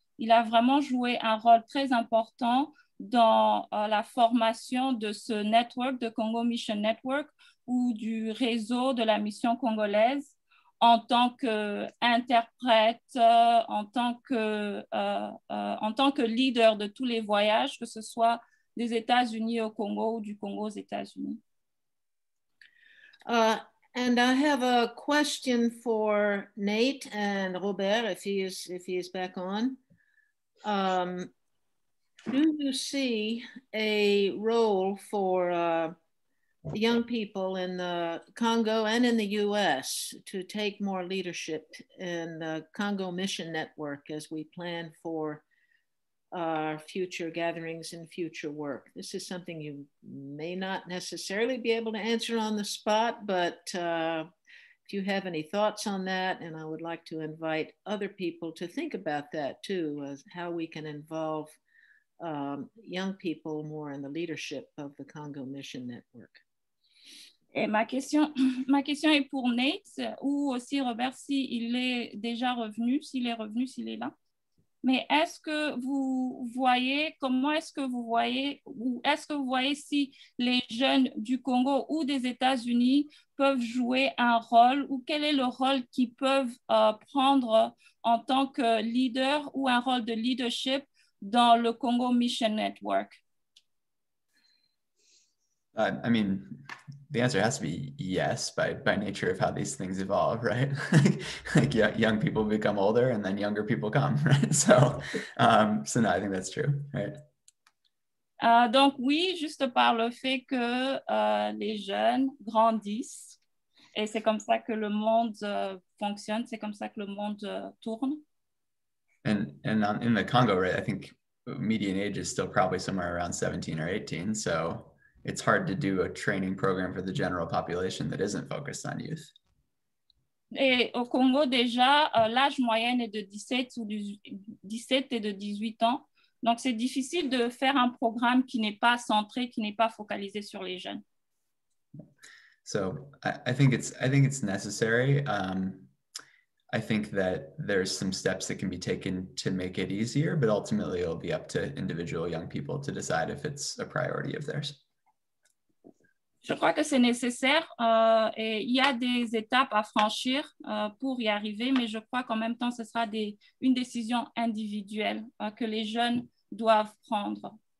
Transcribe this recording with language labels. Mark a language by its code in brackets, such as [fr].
[fr] Il a vraiment joué un rôle très important dans la formation de ce network, de Congo Mission Network, ou du réseau de la mission congolaise, en tant qu'interprète, en tant que leader de tous les voyages, que ce soit des États-Unis au Congo ou du Congo aux États-Unis. [en] And I have a question for Nate and Robert, if he is back on. Do you see a role for young people in the Congo and in the U.S. to take more leadership in the Congo Mission Network as we plan for our future gatherings and future work? This is something you may not necessarily be able to answer on the spot, but if you have any thoughts on that, and I would like to invite other people to think about that too, as how we can involve young people more in the leadership of the Congo Mission Network. [fr] Et ma question est pour Nate ou aussi Robert, s'il est déjà revenu, s'il est là. Mais est-ce que vous voyez, comment est-ce que vous voyez, ou est-ce que vous voyez si les jeunes du Congo ou des États-Unis peuvent jouer un rôle, ou quel est le rôle qu'ils peuvent prendre en tant que leader ou un rôle de leadership dans le Congo Mission Network? [en] I mean, the answer has to be yes, by nature of how these things evolve, right? Like young people become older and then younger people come, right? So no, I think that's true, right? [fr] Donc oui, juste par le fait que les jeunes grandissent et c'est comme ça que le monde fonctionne, c'est comme ça que le monde tourne. [en] And in the Congo, right, I think median age is still probably somewhere around 17 or 18, so... It's hard to do a training program for the general population that isn't focused on youth. [fr] Et au Congo déjà, l'âge moyen est de 17 et de 18 ans. Donc c'est difficile de faire un programme qui n'est pas centré, qui n'est pas focalisé sur les jeunes. [en] So I think it's necessary. I think that there's some steps that can be taken to make it easier, but ultimately it'll be up to individual young people to decide if it's a priority of theirs. [fr] Je crois que c'est nécessaire et il y a des étapes à franchir pour y arriver, mais je crois qu'en même temps, ce sera une décision individuelle que les jeunes doivent prendre.